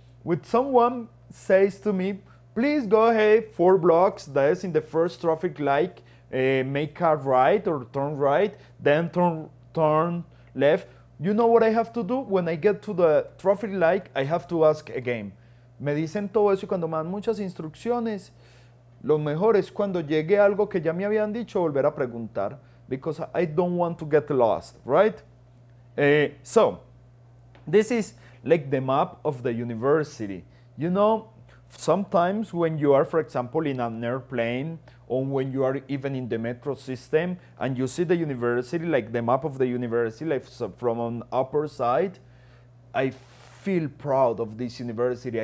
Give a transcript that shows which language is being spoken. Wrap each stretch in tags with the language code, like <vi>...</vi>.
<en>When someone says to me, please go ahead 4 blocks, that is in the first traffic light, make a right or turn right, then turn left. You know what I have to do? When I get to the traffic light, I have to ask again.</en> <es>Me dicen todo eso y cuando me dan muchas instrucciones, lo mejor es cuando llegue algo que ya me habían dicho, volver a preguntar.</es> <en>Because I don't want to get lost, right? So, this is like the map of the university. You know, sometimes when you are, for example, in an airplane, or when you are even in the metro system, and you see the university, like the map of the university, like from an upper side, I feel proud of this university.</en>